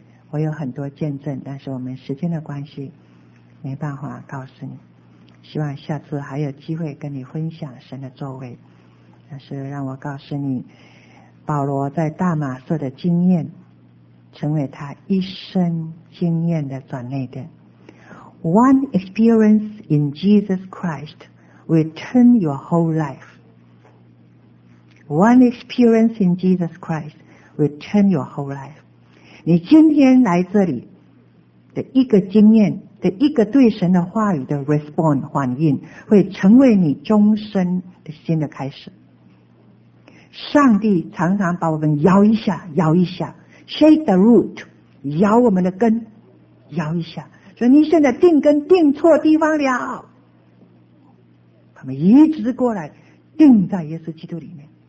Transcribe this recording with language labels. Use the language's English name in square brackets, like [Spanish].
[Chinese] 我有很多见证，但是我们时间的关系没办法告诉你，希望下次还有机会跟你分享神的作为。但是让我告诉你，保罗在大马色的经验成为他一生经验的转捩点。 [English] One experience in Jesus Christ will turn your whole life. One experience in Jesus Christ will turn your whole life. [Chinese] 你今天来这里的一个经验的一个对神的话语的 response 反应，会成为你终身的新的开始。上帝常常把我们摇一下摇一下， [English] shake the root， [Chinese] 摇我们的根，摇一下，说你现在定根定错地方了，他们一直过来定在耶稣基督里面。